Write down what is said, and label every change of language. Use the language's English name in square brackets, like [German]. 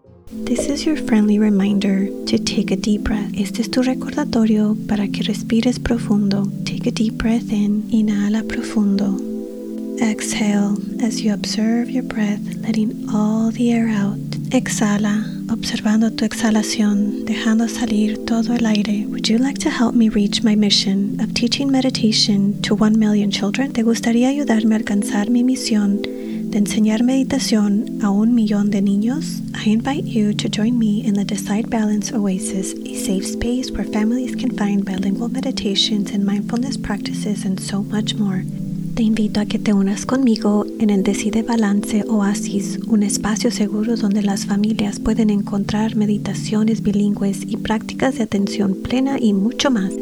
[English] This is your friendly reminder to take a deep breath. [Spanish] Este es tu recordatorio para que respires profundo. [English] Take a deep breath in. [Spanish] Inhala profundo. [English] Exhale as you observe your breath, letting all the air out. [Spanish] Exhala, observando tu exhalación, dejando salir todo el aire. [English] Would you like to help me reach my mission of teaching meditation to 1 million children? [Spanish] ¿Te gustaría ayudarme a alcanzar mi misión de enseñar meditación a 1 million de niños? [English] I invite you to join me in the Decide Balance Oasis, a safe space where families can find bilingual meditations and mindfulness practices and so much more. [Spanish] Te invito a que te unas conmigo en el Decide Balance Oasis, un espacio seguro donde las familias pueden encontrar meditaciones bilingües y prácticas de atención plena y mucho más.